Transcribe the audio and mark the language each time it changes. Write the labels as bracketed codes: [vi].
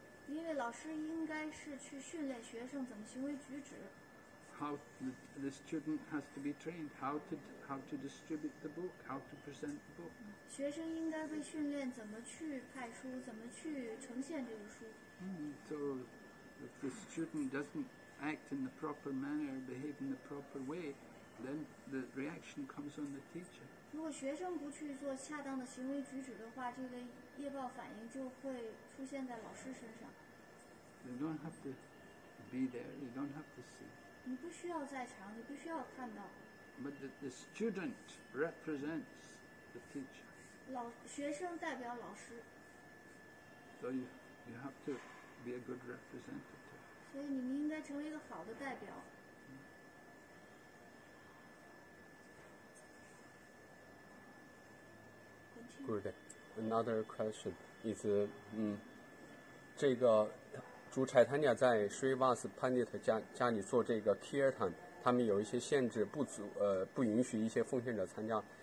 [en] The student has to be trained how to distribute the book, how to present the book. So if the student doesn't act in the proper manner, behave in the proper way, then the reaction comes on the teacher. [zh] 如果学生不去做恰当的行为举止的话，这个业报反应就会出现在老师身上。 [en] You don't have to be there. You don't have to see. [zh] 你不需要在场，你不需要看到。 [en] But the student represents the teacher. [zh] 老学生代表老师。 [en] So you have to be a good representative. [zh] 所以你们应该成为一个好的代表。 [en] Good. Another question is, [zh] 这个主柴坦尼亚在 Srivas Pandit 家里做这个 Kirtan， 他们有一些限制，不允许一些奉献者参加。